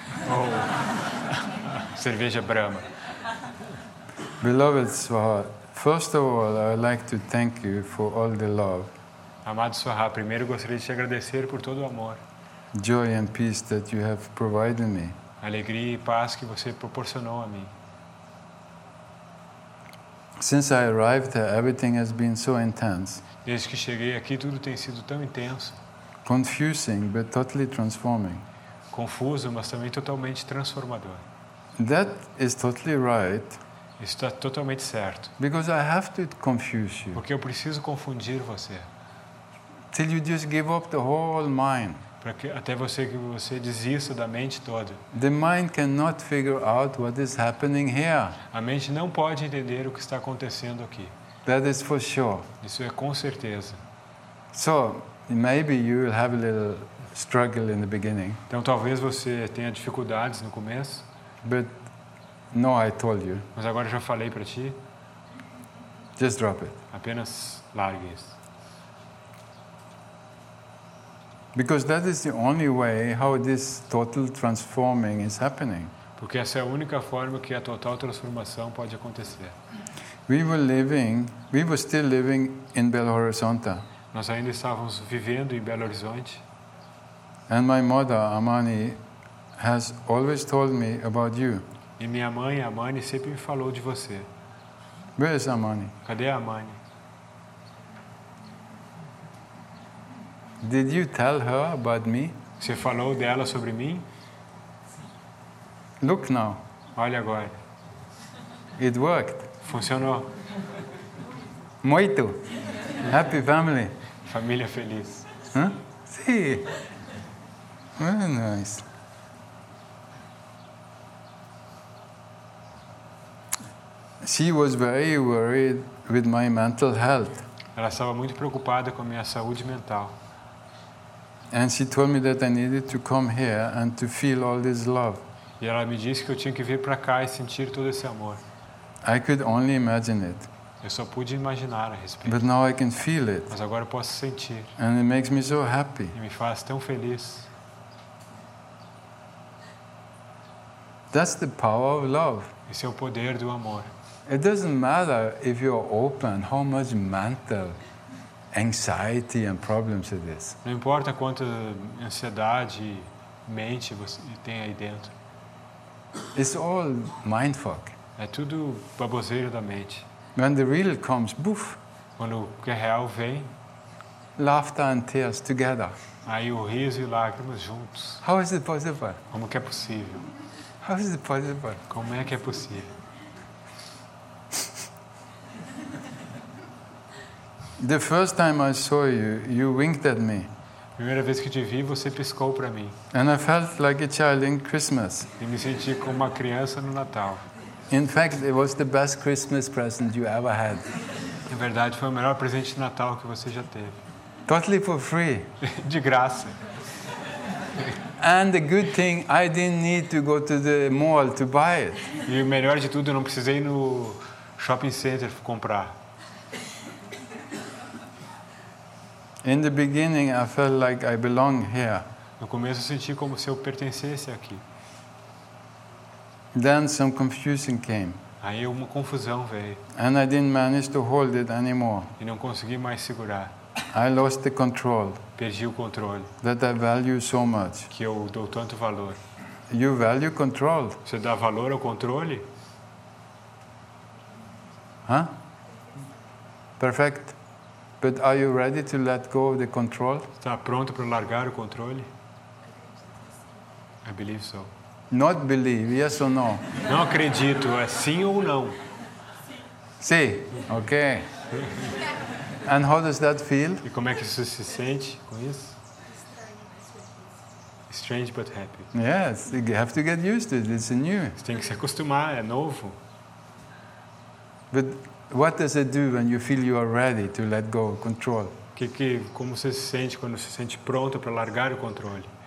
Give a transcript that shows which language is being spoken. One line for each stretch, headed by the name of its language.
Portuguese: Oh. cerveja Brahma.
English: Beloved Swaha, first of all, I'd like to thank you for all the love.
Portuguese: Amado Swaha, primeiro gostaria de te agradecer por todo o amor.
English: Joy and peace that you have provided me.
Portuguese: Alegria e paz que você proporcionou a mim.
English: Since I arrived here, everything has been so intense.
Portuguese: Desde que cheguei aqui, tudo tem sido tão intenso.
English: Confusing, but totally transforming.
Portuguese: Confuso, mas também totalmente transformador.
English: That is totally right.
Portuguese: Isso está totalmente certo.
English: Because I have to confuse you.
Portuguese: Porque eu preciso confundir você.
English: Till you just give up the whole mind.
Portuguese: Para que até você desista da mente toda.
English: The mind cannot figure out what is happening here.
Portuguese: A mente não pode entender o que está acontecendo aqui.
English: That is for sure.
Portuguese: Isso é com certeza.
English: So, maybe you will have a little struggle in the beginning.
Portuguese: Então talvez você tenha dificuldades no começo.
English: But no, I told you.
Portuguese: Mas agora já falei para ti.
English: Just drop it.
Portuguese: Apenas largue isso.
English: Because that is the only way how this total transforming is happening.
Portuguese: Porque essa é a única forma que a total transformação pode acontecer.
English: We were still living in Belo Horizonte.
Portuguese: Nós ainda estávamos vivendo em Belo Horizonte.
English: And my mother, Amani, has always told me about you.
Portuguese: E minha mãe, Amani, sempre me falou de você.
English: Where is Amani?
Portuguese: Cadê a Amani?
English: Did you tell her about me?
Portuguese: Você falou dela sobre mim?
English: Look now.
Portuguese: Olha agora.
English: It worked.
Portuguese: Funcionou. Muito.
English: Happy family.
Portuguese: Família feliz.
English: Huh?
Portuguese: Sim.
Spanish: Sí.
English: Very nice. She was very worried with my mental health.
Portuguese: Ela estava muito preocupada com a minha saúde mental.
English: And she told me that I needed to come here and to feel all this love.
Portuguese: E ela me disse que eu tinha que vir para cá e sentir todo esse amor.
English: I could only imagine it.
Portuguese: Eu só pude imaginar a respeito.
English: But now I can feel it.
Portuguese: Mas agora eu posso sentir.
English: And it makes me so happy.
Portuguese: E me faz tão feliz.
English: That's the power of love.
Portuguese: Esse é o poder do amor.
English: It doesn't matter if you're open, how much mental anxiety and problems it is.
Portuguese: Não importa quanta ansiedade, mente você tem aí dentro.
English: It's all mindfuck.
Portuguese: É tudo baboseira da mente.
English: When the real comes, boof.
Portuguese: Quando o que é real vem.
English: Laughter and tears together.
Portuguese: Aí o riso e lágrimas juntos.
English: How is it possible?
Portuguese: Como que é possível?
English: How is it possible?
Portuguese: Como é que é possível?
English: The first time I saw you, you winked at me.
Portuguese: Primeira vez que te vi, você piscou para mim.
English: And I felt like a child in Christmas.
Portuguese: E me senti como uma criança no Natal.
English: In fact, it was the best Christmas present you ever had.
Portuguese: Na verdade, foi o melhor presente de Natal que você já teve.
English: Totally for free.
Portuguese: De graça.
English: And the good thing, I didn't need to go to the mall to buy it.
Portuguese: E o melhor de tudo, eu não precisei ir no shopping center para comprar.
English: In the beginning, I felt like I belong here.
Portuguese: No começo, eu senti como se eu pertencesse aqui.
English: Then some confusion came.
Portuguese: Aí uma confusão veio.
English: And I didn't manage to hold it anymore.
Portuguese: E não consegui mais segurar.
English: I lost the control.
Portuguese: Perdi o controle.
English: That I value so much.
Portuguese: Que eu dou tanto valor.
English: You value control.
Portuguese: Você dá valor ao controle?
English: Huh? Perfect. But are you ready to let go of the control?
Portuguese: Está pronto para largar o controle?
English: I believe so. Not believe, yes or no?
Portuguese: Não acredito, é sim ou não. Sim,
Spanish: sí.
English: Ok. And how does that feel?
Portuguese: E como é que você se sente com isso?
English: Strange but happy. Yes, you have to get used to it, it's new.
Portuguese: Você tem que se acostumar, é novo.
English: But what does it do when you feel you are ready to let go of control?
Portuguese: Como você se sente quando se sente pronto para largar o controle?